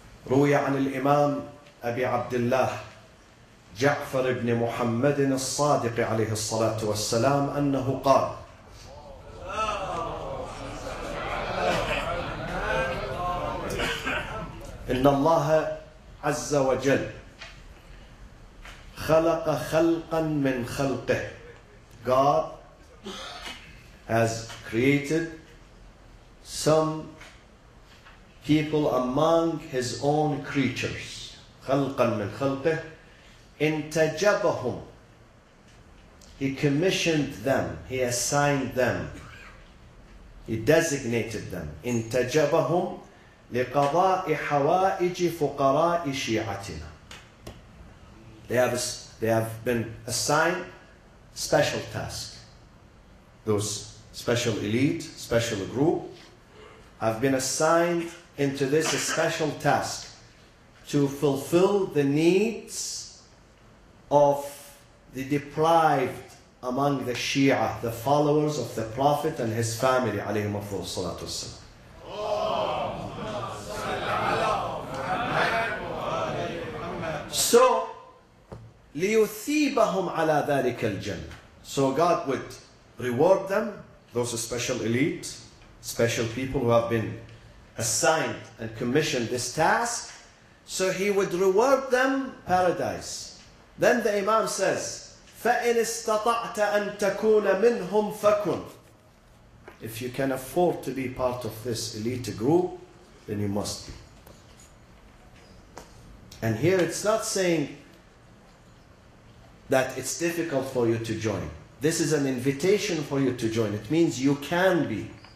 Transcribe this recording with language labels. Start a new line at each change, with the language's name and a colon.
Arabic: روي عن الإمام أبي عبد الله جعفر بن محمد الصادق عليه الصلاة والسلام أنه قال: إن الله عز وجل خلق خلقا من خلقه.
English: God has created some people among his own creatures.
Arabic: خلقا من خلقه. انتجبهم.
English: He commissioned them. He assigned them. He designated them.
Arabic: انتجبهم لقضاء حوائج فقراء شيعتنا.
English: They have been assigned special task. Those special elite, special group, have been assigned into this special task to fulfill the needs of the deprived among the Shia, the followers of the Prophet and his family, alayhim afdhal salatu wassalam.
Arabic: So, لِيُثِيبَهُمْ عَلَى ذَلِكَ الْجَنَّةِ.
English: So God would reward them, those special elite, special people who have been assigned and commissioned this task. So he would reward them paradise. Then the Imam says,
Arabic: فَإِنِ اسْتَطَعْتَ أَن تَكُونَ مِنْهُمْ فَكُنْ.
English: If you can afford to be part of this elite group, then you must be. And here it's not saying that it's difficult for you to join. This is an invitation for you to join. It means you can be.